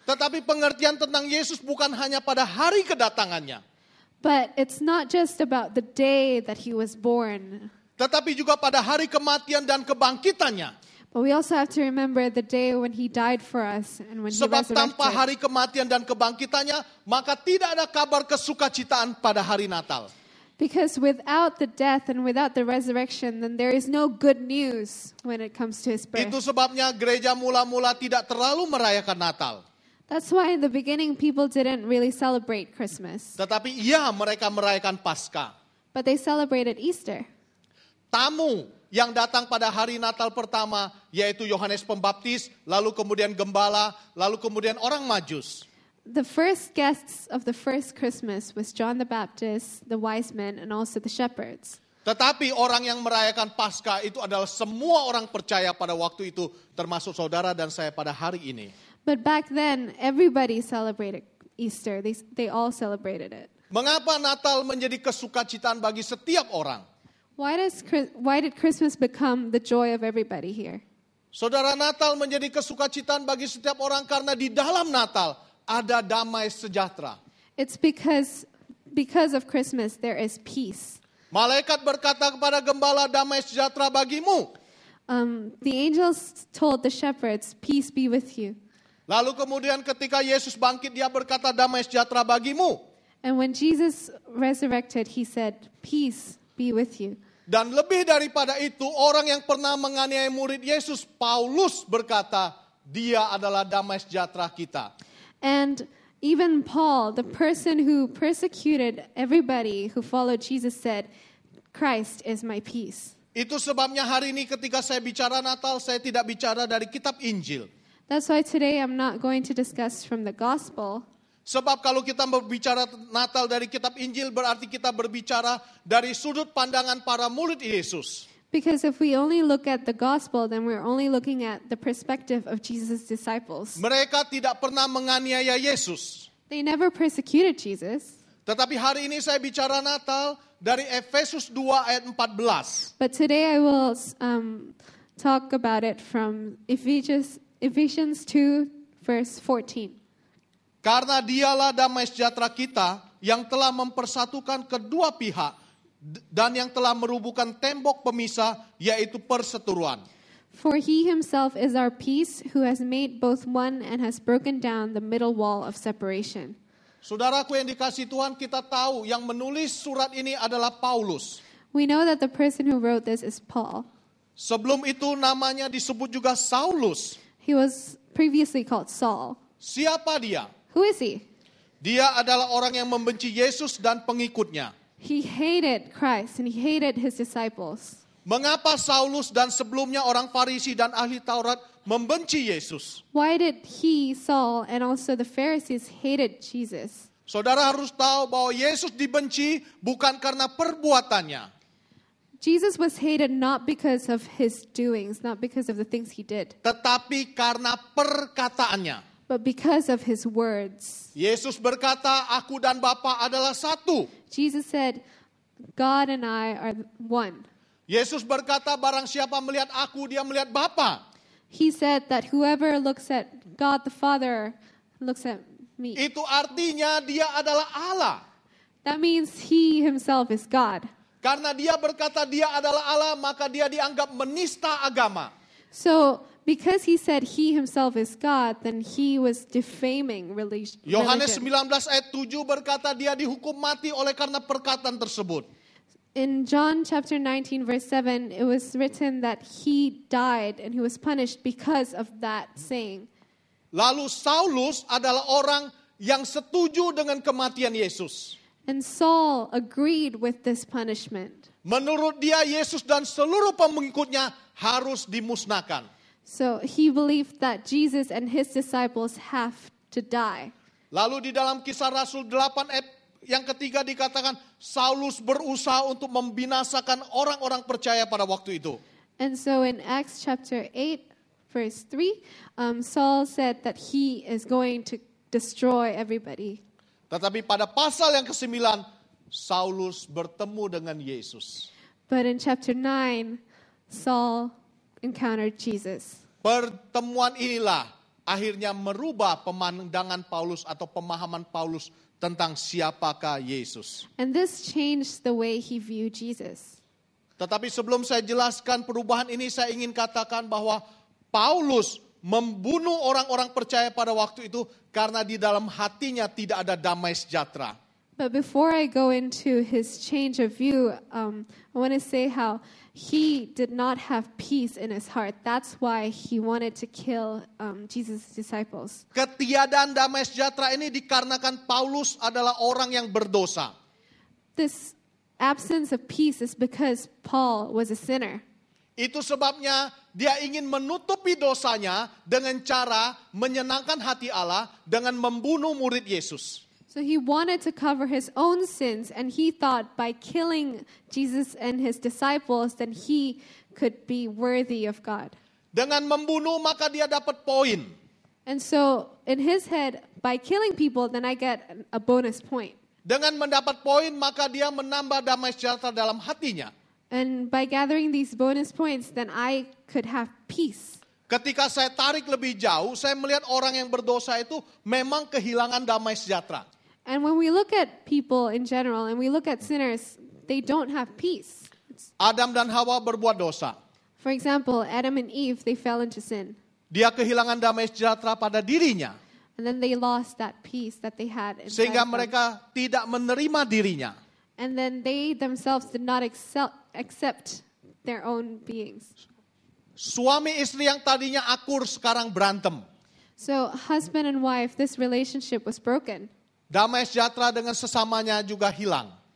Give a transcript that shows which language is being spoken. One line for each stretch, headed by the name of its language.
Indonesian: Tetapi pengertian tentang Yesus bukan hanya pada hari kedatangannya.
English: But it's not just about the day that he was born.
Indonesian: Tetapi juga pada hari kematian dan kebangkitannya.
English: But we also have to remember the day when he died for us and when he resurrected.
Indonesian: Sebab tanpa hari kematian dan kebangkitannya, maka tidak ada kabar kesukacitaan pada hari Natal.
English: Because without the death and without the resurrection, then there is no good news when it comes to his birth.
Indonesian: Itu sebabnya gereja mula-mula tidak terlalu merayakan Natal.
English: That's why in the beginning people didn't really celebrate Christmas.
Indonesian: Tetapi iya, mereka merayakan Paskah.
English: But they celebrated Easter.
Indonesian: Tamu yang datang pada hari Natal pertama yaitu Yohanes Pembaptis, lalu kemudian gembala, lalu kemudian orang Majus.
English: The first guests of the first Christmas was John the Baptist, the wise men, and also the shepherds.
Indonesian: Tetapi orang yang merayakan Paskah itu adalah semua orang percaya pada waktu itu, termasuk saudara dan saya pada hari ini.
English: But back then, everybody celebrated Easter. They all celebrated it.
Indonesian: Mengapa Natal menjadi kesukacitaan bagi setiap orang?
English: Why did Christmas become the joy of everybody here?
Indonesian: Saudara, Natal menjadi kesukacitaan bagi setiap orang karena di dalam Natal ada damai sejahtera.
English: It's because of Christmas there is peace.
Indonesian: Malaikat berkata kepada gembala, damai sejahtera bagimu.
English: The angels told the shepherds, peace be with you.
Indonesian: Lalu kemudian ketika Yesus bangkit, dia berkata, damai sejahtera bagimu.
English: And when Jesus resurrected, he said, peace be with you.
Indonesian: Dan lebih daripada itu, orang yang pernah menganiaya murid Yesus, Paulus berkata, dia adalah damai sejahtera kita.
English: And even Paul, the person who persecuted everybody who followed Jesus, said, Christ is my peace.
Indonesian: Itu sebabnya hari ini ketika saya bicara Natal, saya tidak bicara dari kitab Injil.
English: That's why today I'm not going to discuss from the gospel.
Indonesian: Sebab kalau kita berbicara Natal dari kitab Injil, berarti kita berbicara dari sudut pandangan para murid Yesus.
English: Because if we only look at the gospel, then we're only looking at the perspective of Jesus' disciples.
Indonesian: Mereka tidak pernah menganiaya Yesus.
English: They never persecuted Jesus.
Indonesian: Tetapi hari ini saya bicara Natal dari Efesus 2 ayat 14.
English: But today I will talk about it from Ephesians 2 verse 14.
Indonesian: Karena dialah damai sejahtera kita yang telah mempersatukan kedua pihak dan yang telah merubuhkan tembok pemisah, yaitu perseteruan.
English: For he himself is our peace, who has made both one and has broken down the middle wall of separation.
Indonesian: Saudaraku yang dikasihi Tuhan, kita tahu yang menulis surat ini adalah Paulus.
English: We know that the person who wrote this is Paul.
Indonesian: Sebelum itu namanya disebut juga Saulus.
English: He was previously called Saul.
Indonesian: Siapa dia?
English: Who is he?
Indonesian: Dia adalah orang yang membenci Yesus dan pengikutnya.
English: He hated Christ and he hated his disciples.
Indonesian: Mengapa Saulus dan sebelumnya orang Farisi dan ahli Taurat membenci Yesus?
English: Why did he, Saul, and also the Pharisees hated Jesus?
Indonesian: Saudara harus tahu bahwa Yesus dibenci bukan karena perbuatannya.
English: Jesus was hated not because of his doings, not because of the things he did.
Indonesian: Tetapi karena perkataannya.
English: But because of his words.
Indonesian: Yesus berkata, aku dan Bapa adalah satu.
English: Jesus said, God and I are one.
Indonesian: Yesus berkata, barang siapa melihat aku, dia melihat Bapa.
English: He said that whoever looks at God the Father looks at me.
Indonesian: Itu artinya dia adalah Allah.
English: That means he himself is God.
Indonesian: Karena dia berkata dia adalah Allah, maka dia dianggap menista agama.
English: So, because he said he himself is God, then he was defaming religion.
Indonesian: Yohanes 19 ayat 7 berkata dia dihukum mati oleh karena perkataan tersebut.
English: In John chapter 19 verse 7, it was written that he died and he was punished because of that saying.
Indonesian: Lalu Saulus adalah orang yang setuju dengan kematian Yesus.
English: And Saul agreed with this punishment.
Indonesian: Menurut dia, Yesus dan seluruh pengikutnya harus dimusnahkan.
English: So he believed that Jesus and his disciples have to die.
Indonesian: Lalu di dalam Kisah Rasul 8 ayat yang ketiga dikatakan Saulus berusaha untuk membinasakan orang-orang percaya pada waktu itu.
English: And so in Acts chapter 8 verse 3, Saul said that he is going to destroy everybody.
Indonesian: Tetapi pada pasal yang ke-9, Saulus bertemu dengan Yesus.
English: But in chapter 9, Saul encountered Jesus.
Indonesian: Pertemuan inilah akhirnya merubah pemandangan Paulus atau pemahaman Paulus tentang siapakah Yesus.
English: And this changed the way he viewed Jesus.
Indonesian: Tetapi sebelum saya jelaskan perubahan ini, saya ingin katakan bahwa Paulus membunuh orang-orang percaya pada waktu itu karena di dalam hatinya tidak ada damai sejahtera.
English: But before I go into his change of view, I want to say how he did not have peace in his heart. That's why he wanted to kill Jesus' disciples.
Indonesian: Ketiadaan damai sejahtera ini dikarenakan Paulus adalah orang yang berdosa.
English: This absence of peace is because Paul was a sinner.
Indonesian: Itu sebabnya dia ingin menutupi dosanya dengan cara menyenangkan hati Allah dengan membunuh murid Yesus.
English: So he wanted to cover his own sins, and he thought by killing Jesus and his disciples, then he could be worthy of God.
Indonesian: Dengan membunuh, maka dia dapat poin.
English: And so in his head, by killing people, then I get a bonus point.
Indonesian: Dengan mendapat poin, maka dia menambah damai sejahtera dalam hatinya.
English: And by gathering these bonus points, then I could have peace.
Indonesian: Ketika saya tarik lebih jauh, saya melihat orang yang berdosa itu memang kehilangan damai sejahtera.
English: And when we look at people in general and we look at sinners, they don't have peace.
Indonesian: Adam dan Hawa berbuat dosa.
English: For example, Adam and Eve, they fell into sin.
Indonesian: Dia kehilangan damai sejahtera pada dirinya.
English: And then they lost that peace that they had inside.
Indonesian: Sehingga mereka tidak menerima dirinya.
English: And then they themselves did not accept their own beings.
Indonesian: Suami istri yang tadinya akur sekarang berantem.
English: So husband and wife, this relationship was broken.
Indonesian: Damai sejahtera dengan sesamanya juga hilang.